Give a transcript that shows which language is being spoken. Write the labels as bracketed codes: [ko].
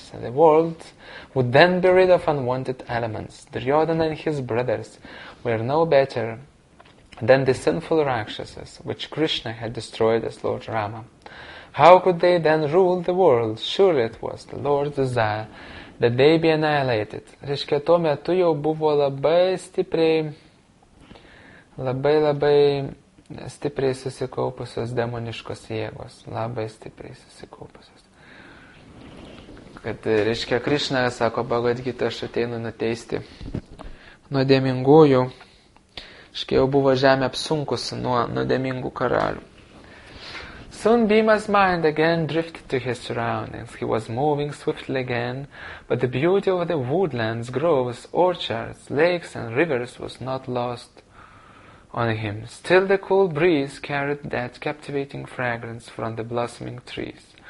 [en] The world would then be rid of unwanted elements. Duryodhana and his brothers were no better than the sinful Rakshasas, which Krishna had destroyed as Lord Rama. How could they then rule the world? Surely it was the Lord's desire that they be annihilated. [lt] Reiškia, tuo metu jau buvo labai stipriai, labai stipriai susikaupusios demoniškos jėgos. Labai stipriai susikaupusios. Kad, reiškia, Krishna sako, Bhagavad Gita, aš ateinu nuteisti nuodėmingųjų. Reiškia, jau buvo žemė apsunkusi nuo nuodėmingų karalių. [en] Soon Bhima's mind again drifted to his surroundings. He was moving swiftly again, but the beauty of the woodlands, groves, orchards, lakes and rivers was not lost on him. Still the cool breeze carried that captivating fragrance from the blossoming trees.